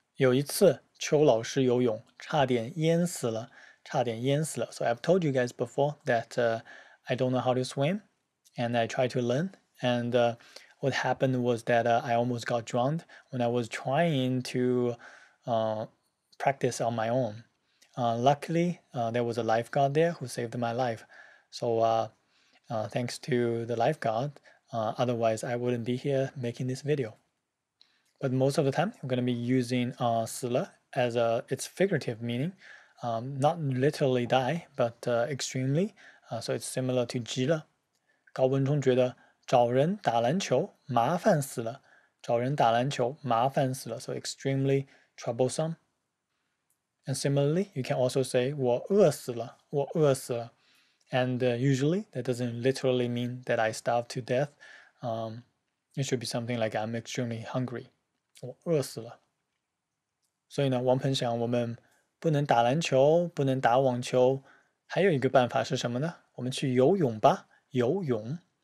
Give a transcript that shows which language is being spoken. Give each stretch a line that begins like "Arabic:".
Chinese: 有一次邱老师游泳差点淹死了。
English: So I've told you guys before that I don't know how to swim, and I tried to learn. And what happened was that I almost got drowned when I was trying to practice on my own. Luckily, there was a lifeguard there who saved my life. So thanks to the lifeguard, Otherwise, I wouldn't be here making this video. But most of the time, we're going to be using "死了" as a its figurative meaning, not literally die, but extremely. So it's similar to
Chinese: "急了." 高文冲觉得找人打篮球麻烦死了. 找人打篮球麻烦死了.
English: So extremely troublesome. And similarly, you can also say
Chinese: 我饿死了.
English: And usually, that doesn't literally mean that I starve to death. It should be something like I'm extremely hungry.
Chinese: 我饿死了. 所以呢, 王鹏想我们不能打篮球，不能打网球，还有一个办法是什么呢？我们去游泳吧，游泳。